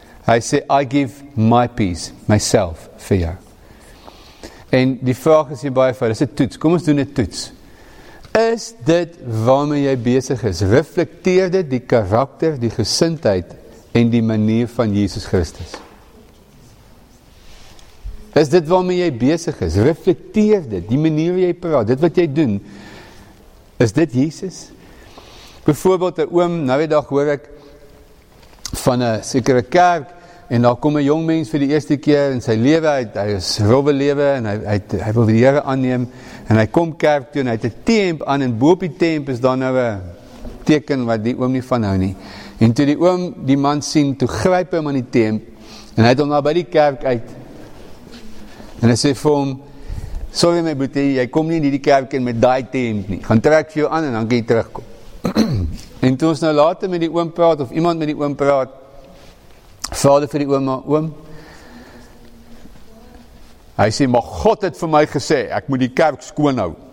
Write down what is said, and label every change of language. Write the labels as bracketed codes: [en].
[af] Hy sê, [en] I give my peace, myself, for you. [af] En die vraag is hier baie vir, is 'n toets. Kom ons doen 'n toets. Is dit waarmee jy besig is? Reflekteer dit die karakter, die gesindheid en die manier van Jesus Christus? Is dit waarmee jy besig is? Reflekteer dit, die manier hoe jy praat, dit wat jy doen. Is dit Jesus? Bijvoorbeeld, een oom, nou die dag hoor ek, van een sekere kerk, en daar kom een jong mens vir die eerste keer in sy lewe, hy is robbe lewe, en hy wil die Here aanneem, en hy kom kerk toe, en hy het een temp aan, en boop die temp is daar nou een teken, wat die oom nie van hou nie. En toe die oom die man sien, toe gryp hem aan die temp, en hy het hom nou by die kerk uit, en hy sê vir hom, sorry my boete, jy kom nie in die kerk in met die temp nie, gaan trek vir jou aan, en dan kan jy terugkom. En toe ons nou later met die oom praat, of iemand met die oom praat, vader vir die oom, maar oom, hy sê, maar God het vir my gesê, ek moet die kerk skoon hou.